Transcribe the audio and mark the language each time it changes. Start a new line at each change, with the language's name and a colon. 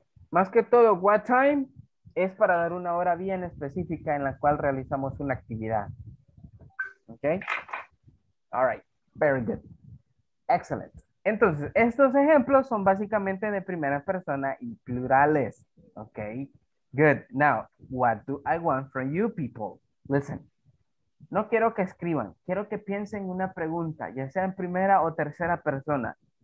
Spanish: Más que todo, what time es para dar una hora bien específica en la cual realizamos una actividad.
English: Ok. All right. Very good. Excellent.
Spanish: Entonces, estos ejemplos son básicamente de primera persona y plurales.
English: Ok. Good. Now, what do I want from you people? Listen.
Spanish: No quiero que escriban. Quiero que piensen una pregunta, ya sea en primera o tercera persona.